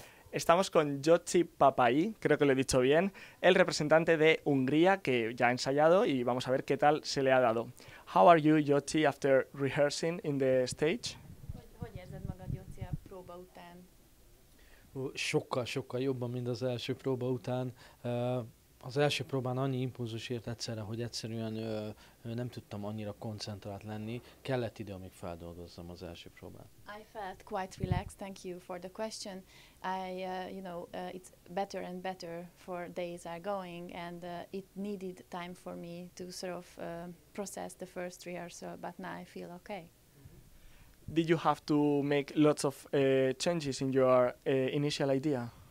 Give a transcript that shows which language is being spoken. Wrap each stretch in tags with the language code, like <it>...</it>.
<es>Estamos con Joci Pápai, creo que lo he dicho bien, el representante de Hungría que ya ha ensayado y vamos a ver qué tal se le ha dado.</es> <en>How are you, Joci, after rehearsing in the stage?</en> <hu>Hogy érzed magad, Joci, a próba után? Sokkal-sokkal jobban, mint az első próba után. Az első próbán annyi impulzus ért egyszerre, hogy egyszerűen nem tudtam annyira koncentrált lenni. Kellett idő, amíg feldolgozzam az első próbát.</hu> <en>I felt quite relaxed. Thank you for the question. It's better and better for days are going, and it needed time for me to sort of process the first rehearsal, but now I feel okay. Did you have to make lots of changes in your initial idea?</en>